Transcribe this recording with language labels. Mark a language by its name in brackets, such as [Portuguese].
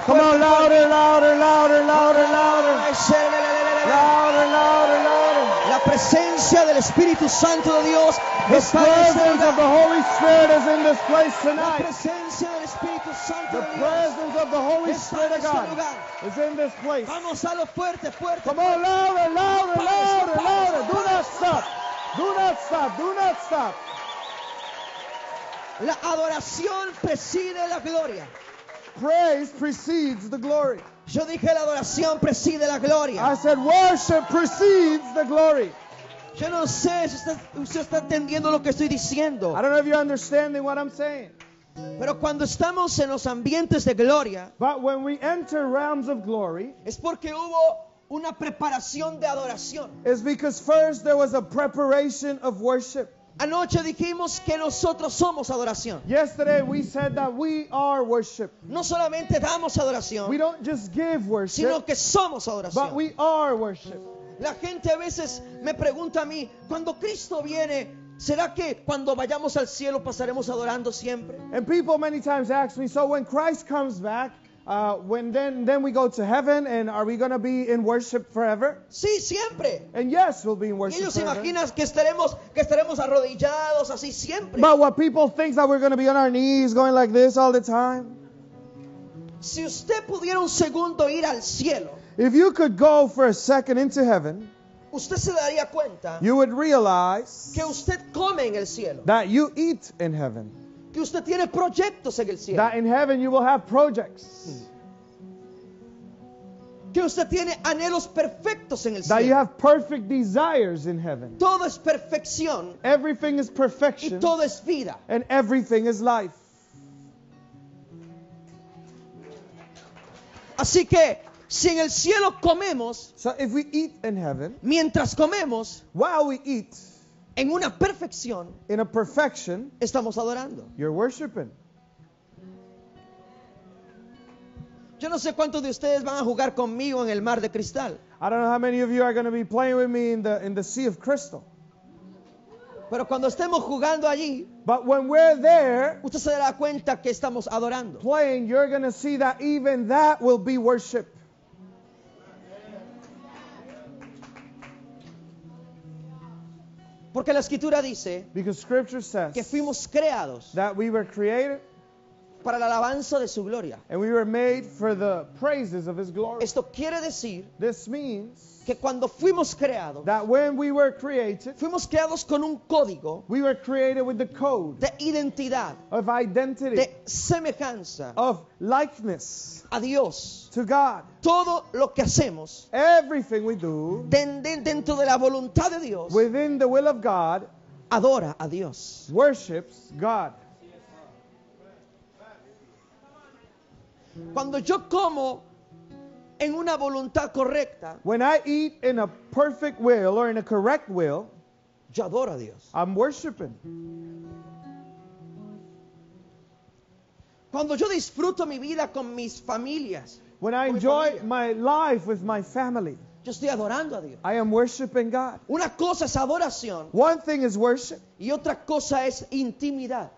[English] Come on, louder, louder, louder, louder, louder. Louder, louder, louder. [Spanish] La presencia del Espíritu Santo de Dios está en este lugar. [English] The presence of the Holy Spirit is in this place tonight. [Spanish] La presencia del Espíritu Santo. [English] The presence of the Holy Spirit of God is in this place. [Spanish] Vamos a lo fuerte, fuerte. [English] Come on, louder, louder, louder, louder. Do not stop. Do not stop. Do not stop. [Spanish] La adoración precede la gloria. [English] Praise precedes the glory. [Spanish] Yo dije la adoración precede la gloria. [English] I said worship precedes the glory. [Spanish] Yo no sé si usted está entendiendo lo que estoy diciendo. [English] I don't know if you're understanding what I'm saying. [Spanish] Pero cuando estamos en los ambientes de gloria, [English] but when we enter realms of glory, [Spanish] es porque hubo una preparación de adoración. [English] It's because first there was a preparation of worship. [Spanish] Anoche dijimos que nosotros somos adoración. [English] Yesterday we said that we are worship. [Spanish] No solamente damos adoración. [English] We don't just give worship. [Spanish] Sino que somos adoración. [English] But we are worship. [Spanish] La gente a veces me pregunta a mí, cuando Cristo viene, ¿será que cuando vayamos al cielo pasaremos adorando siempre? [English] And people many times ask me, so when Christ comes back, when we go to heaven, and are we going to be in worship forever? [Spanish] Sí, siempre. [English] And yes, we'll be in worship. [Spanish] Ellos imaginan que estaremos arrodillados así siempre. [English] But what people think that we're going to be on our knees going like this all the time. [Spanish] Si usted pudiera un segundo ir al cielo, [English] if you could go for a second into heaven, [Spanish] usted se daría cuenta, [English] you would realize [Spanish] que usted come en el cielo, [English] that you eat in heaven. [Spanish] Que usted tiene proyectos en el cielo. [English] That in heaven you will have projects. [Spanish] Que usted tiene anhelos perfectos en el cielo. [English] That you have perfect desires in heaven. [Spanish] Todo es perfección. [English] Everything is perfection. [Spanish] Y todo es vida. [English] And everything is life. [Spanish] Así que si en el cielo comemos, [English] so if we eat in heaven, [Spanish] mientras comemos, [English] while we eat, [Spanish] en una perfección, [English] in a perfection, [Spanish] estamos adorando. [English] You're worshiping. [Spanish] Yo no sé cuántos de ustedes van a jugar conmigo en el mar de cristal. [English] I don't know how many of you are going to be playing with me in the sea of crystal. [Spanish] Pero cuando estemos jugando allí, [English] but when we're there, [Spanish] usted se dará cuenta que estamos adorando. [English] Playing, you're going to see that even that will be worship. [Spanish] Porque la escritura dice, [English] because scripture says, [Spanish] que fuimos creados, [English] that we were created, [Spanish] para la alabanza de su gloria, [English] and we were made for the praises of his glory. [Spanish] Esto quiere decir, [English] this means, [Spanish] que cuando fuimos creados, [English] that when we were created, [Spanish] fuimos creados con un código, [English] we were created with the code, [Spanish] de identidad, [English] of identity, [Spanish] de semejanza, [English] of likeness, [Spanish] a Dios, [English] to God. [Spanish] Todo lo que hacemos, [English] everything we do, [Spanish] dentro de la voluntad de Dios, [English] within the will of God, [Spanish] adora a Dios, [English] worships God. [Spanish] Cuando yo como en una voluntad correcta, [English] when I eat in a perfect will or in a correct will, [Spanish] yo adoro a Dios. [English] I'm worshiping. [Spanish] Cuando yo disfruto mi vida con mis familias, [English] when I enjoy my life with my family, [Spanish] yo estoy adorando a Dios. [English] I am worshiping God. [Spanish] Una cosa es adoración. [English] One thing is worship. [Spanish] Y otra cosa es intimidad.